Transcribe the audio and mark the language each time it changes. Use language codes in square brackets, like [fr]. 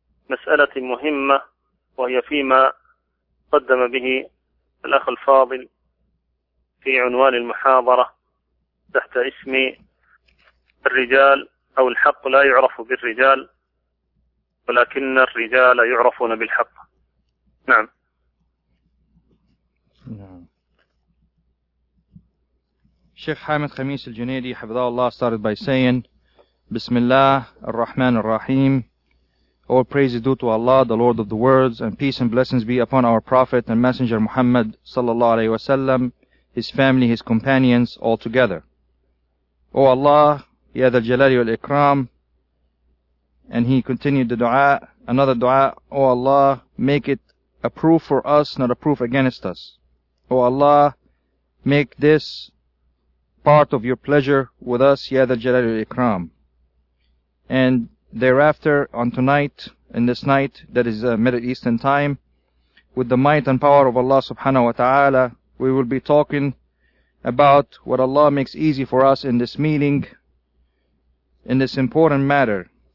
[ar] مسألة مهمة، وهي فيما قدم به الأخ الفاضل في عنوان المحاضرة تحت اسمي الرجال أو الحق لا يعرف بالرجال ولكن الرجال يعرفون بالحق. نعم. شيخ حامد خميس الجنيدي حفظه الله started by saying بسم الله الرحمن الرحيم. [en] All praise is due to Allah, the Lord of the worlds, and peace and blessings be upon our Prophet and Messenger Muhammad صلى الله عليه وسلم, his family, his companions, all together. [ar] O Allah, يا ذا الجلال والإكرام. [en] And he continued the dua, another dua. O Allah, make it a proof for us, not a proof against us. O Allah, make this part of your pleasure with us, يا ذا الجلال والإكرام. And thereafter, on tonight, in this night, that is Middle Eastern time, with the might and power of Allah subhanahu wa ta'ala, we will be talking about what Allah makes easy for us in this meeting, in this important matter.